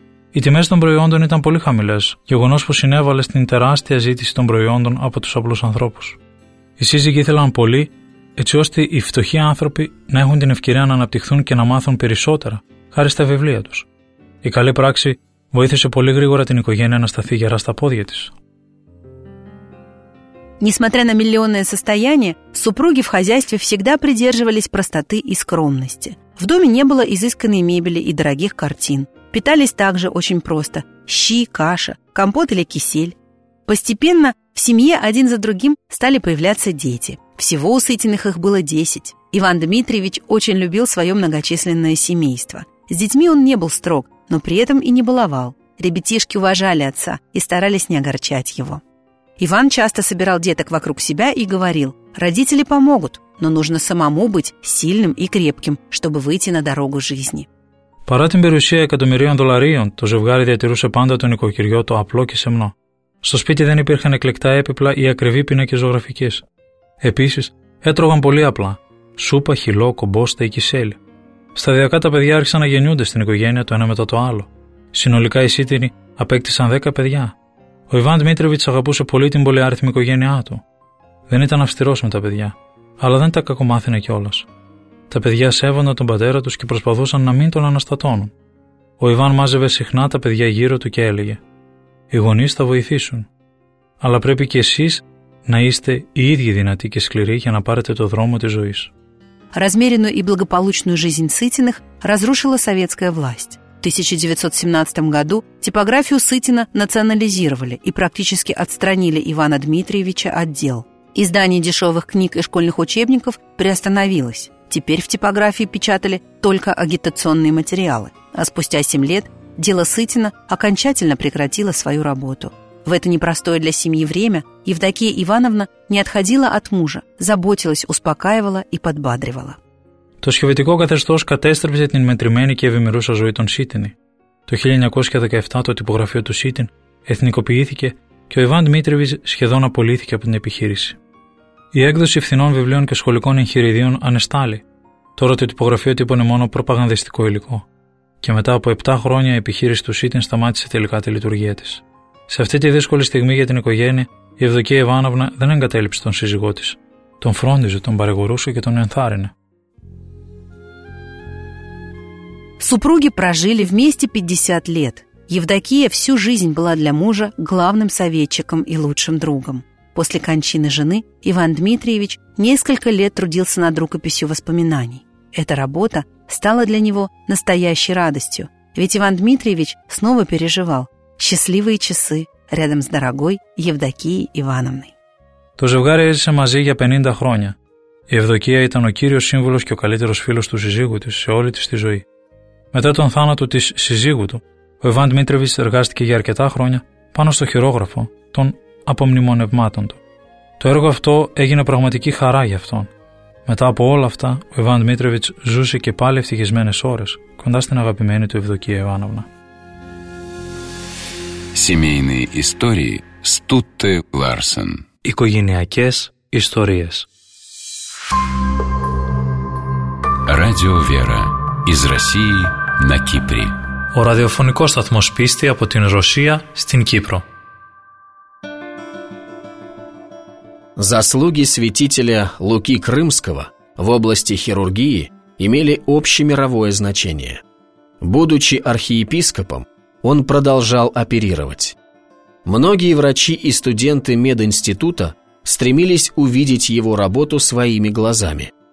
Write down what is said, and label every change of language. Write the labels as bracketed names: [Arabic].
[Greek] Οι τιμές των προϊόντων ήταν πολύ χαμηλές, γεγονός που συνέβαλε στην τεράστια ζήτηση των προϊόντων από τους απλούς ανθρώπους. Οι σύζυγοι ήθελαν πολύ, έτσι ώστε οι φτωχοί άνθρωποι να έχουν την ευκαιρία να αναπτυχθούν και να μάθουν περισσότερα, χάρη στα βιβλία τους. Η καλή πράξη βοήθησε πολύ γρήγορα την οικογένεια να σταθεί γερά στα πόδια της. [Russian] Несмотря на миллионное состояние, супруги в хозяйстве всегда придерживались простоты и скромности. В доме не было изысканной мебели и дорогих картин. Питались также очень просто – щи, каша, компот или кисель. Постепенно в семье один за другим стали появляться дети. Всего у Сытиных их было 10. Иван Дмитриевич очень любил свое многочисленное семейство. С детьми он не был строг, но при этом и не баловал. Ребятишки уважали отца и старались не огорчать его. Иван часто собирал деток вокруг себя и говорил: «Родители помогут, но нужно самому быть сильным и крепким, чтобы выйти на дорогу жизни». [Greek] Παρά την περιουσία εκατομμυρίων δολαρίων, το ζευγάρι διατηρούσε πάντα το νοικοκυριό το απλό και σεμνό. Στο σπίτι δεν υπήρχαν εκλεκτά έπιπλα ή ακριβή πίνακες ζωγραφικής. Επίσης, έτρωγαν πολύ απλά: σούπα, χυλό, κομπόστα ή κυσέλι. Σταδιακά τα παιδιά άρχισαν να γεννιούνται στην οικογένεια το ένα μετά το άλλο. Συνολικά οι Σίτινοι απέκτησαν 10 παιδιά. Ο Ιβάν Δημήτριβιτς αγαπούσε πολύ την πολυάριθμη οικογένειά του. Δεν ήταν αυστηρός με τα παιδιά, αλλά δεν τα κακομάθαινε κιόλας. Τα παιδιά σέβονταν τον πατέρα τους και προσπαθούσαν να μην τον αναστατώνουν. Ο Ιβάν μάζευε συχνά τα παιδιά γύρω του και έλεγε: «Οι γονείς θα βοηθήσουν, αλλά πρέπει κι εσείς να είστε οι ίδιοι δυνατοί και σκληροί για να πάρετε το δρόμο της ζωής». [Russian] Размеренную и благополучную жизнь Сытиных разрушила советская власть. В 1917 году типографию Сытина национализировали и практически отстранили Ивана Дмитриевича от дел. Издание дешевых книг и школьных учебников приостановилось. Теперь в типографии печатали только агитационные материалы. А спустя 7 лет дело Сытина окончательно прекратило свою работу. В это непростое для семьи время Евдокия Ивановна не отходила от мужа, заботилась, успокаивала и подбадривала. [Greek] Το σχεδιαστικό καθεστώς κατέστρεψε την μετρημένη και ευημερούσα ζωή των Σίτινη. Το 1917 το τυπογραφείο του Σίτιν εθνικοποιήθηκε και ο Ιβάν Δημήτριβιτς σχεδόν απολύθηκε από την επιχείρηση. Η έκδοση φθηνών βιβλίων και σχολικών εγχειριδίων ανεστάλλει. Τώρα το τυπογραφείο τύπωνε μόνο προπαγανδιστικό υλικό. Και μετά από 7 χρόνια η επιχείρηση του Σίτιν σταμάτησε τελικά τη λειτουργία της. Σε αυτή τη δύσκολη στιγμή για την οικογένεια, η Ευδοκία Ιβάνοβνα δεν εγκατέλειψε τον σύζυγό της. Τον φρόντιζε, τον παρηγορούσε και τον ενθάρρυνε. [Russian] Супруги прожили вместе 50 лет. Евдокия всю жизнь была для мужа главным советчиком и лучшим другом. После кончины жены Иван Дмитриевич несколько лет трудился над рукописью воспоминаний. Эта работа стала для него настоящей радостью, ведь Иван Дмитриевич снова переживал счастливые часы рядом с дорогой Евдокией Ивановной. [Greek] То ζευγάρι έζησε μαζί για 50 χρόνια. Η Ευδοκία ήταν ο κύριος σύμβουλος και ο καλύτερος φίλος του συζύγου της σε όλη της τη ζωή. Μετά τον θάνατο της συζύγου του, ο Ιβάν Δημήτρεβιτς εργάστηκε για αρκετά χρόνια πάνω στο χειρόγραφο των απομνημονευμάτων του. Το έργο αυτό έγινε πραγματική χαρά για αυτόν. Μετά από όλα αυτά, ο Ιβάν Δημήτρεβιτς ζούσε και πάλι ευτυχισμένες ώρες κοντά στην αγαπημένη του Ευδοκία Ιβάνοβνα. [Russian] Семейные истории Стутте Ларсен. [Greek] Οικογενειακές ιστορίες. [Russian] Радио Вера. Из России на Кипре. [Greek] Ο ραδιοφωνικός σταθμός πίστη από την Ρωσία στην Κύπρο. [Russian] Заслуги святителя Луки Крымского в области хирургии имели общемировое значение. Будучи архиепископом, он продолжал оперировать. Многие врачи и студенты мединститута стремились увидеть его работу своими глазами.